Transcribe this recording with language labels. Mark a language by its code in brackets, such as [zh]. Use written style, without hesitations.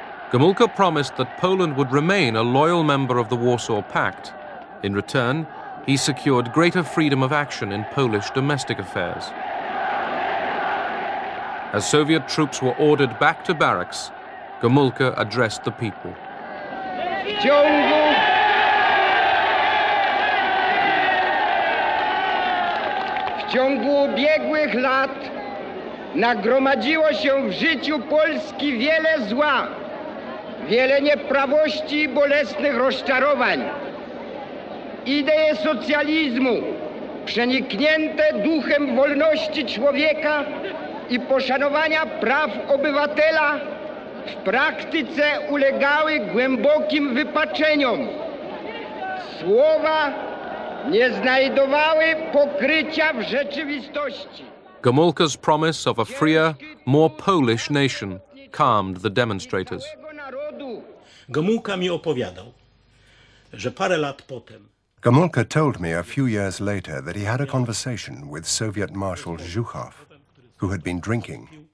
[en] Gomulka promised that Poland would remain a loyal member of the Warsaw Pact. In return, he secured greater freedom of action in Polish domestic affairs. As Soviet troops were ordered back to barracks, Gomulka addressed the people. [pl] W ciągu ubiegłych lat nagromadziło się w życiu Polski wiele zła, wiele nieprawości i bolesnych rozczarowań. Idee socjalizmu, przeniknięte duchem wolności człowieka i poszanowania praw obywatela, w praktyce ulegały głębokim wypaczeniom. Słowa nie znajdowały pokrycia w rzeczywistości. [en] Gomulka's promise of a freer, more Polish nation calmed the demonstrators. [pl] Gomulka mi opowiadał, że parę lat potem. [en] Gomulka told me a few years later that he had a conversation with Soviet Marshal Zhukov, who had been drinking.